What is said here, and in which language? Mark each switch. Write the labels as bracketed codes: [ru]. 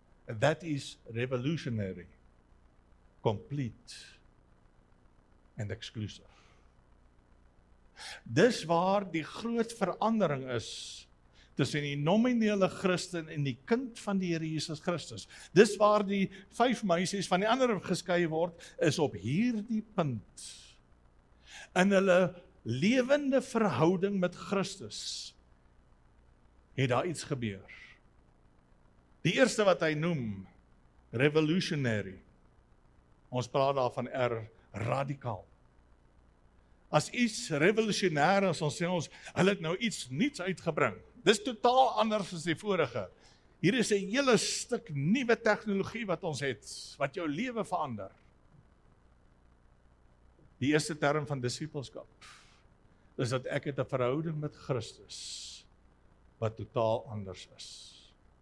[en] That is revolutionary, complete, and exclusive. [af] Dis waar die groot verandering is, tussen die nominele Christen en die kind van die Here Jesus Christus. Dis waar die vyf meisies van die ander geskei word, is op hierdie punt. In hulle lewende verhouding met Christus, het daar iets gebeur. Die eerste wat hy noem, revolutionary. Ons praat daar van radikaal. As iets revolutionair is, ons sê ons, hulle het nou iets niets uitgebring. Dis totaal anders as die vorige. Hier is 'n hele stuk nuwe tegnologie wat ons het, wat jou lewe verander. Die eerste term van disipelskap is dat ek het 'n verhouding met Christus wat totaal anders is.